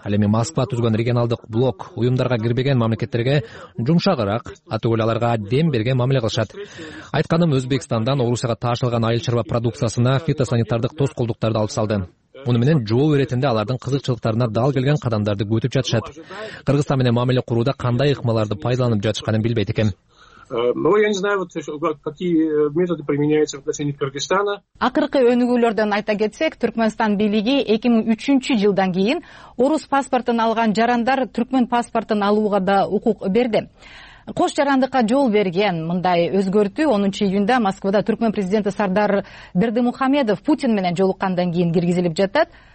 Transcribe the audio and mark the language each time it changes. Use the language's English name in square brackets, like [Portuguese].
[Kyrgyz] Ал эми Москва түзгөн регионалдык блок уюмдарга кирбеген мамлекеттерге жумшагыраак, атөгөл аларга дем берген мамиле кылышат. Айтканым, Өзбекстандан Орусияга таашылган айыл чарба продукциясына фитосанитардык тоскоолдуктарды алып салды. Муну менен жоо иретинде алардын кызыкчылыктарына дал келген кадамдарды күтүп жатышат. Кыргызстан менен мамиле курууда кандай ыкмаларды пайдаланып жатышканын билбейт экен. [Russian] Но я не знаю, вот, какие методы применяются в отношении Кыргызстана. [Kyrgyz] Акыркы өнүгүүлөрдөн айта кетсек, Түркмөнстан бийлиги 2003 жылдан кийин орус паспортун алган жарандар түркмөн паспортун алууга да укук берди. Кош жарандыкка жол берген мындай өзгөртүү 10 июнда Москвада түркмөн президенти Сардар Бердимухамедов Путин менен жолуккандан кийин киргизилип жатат.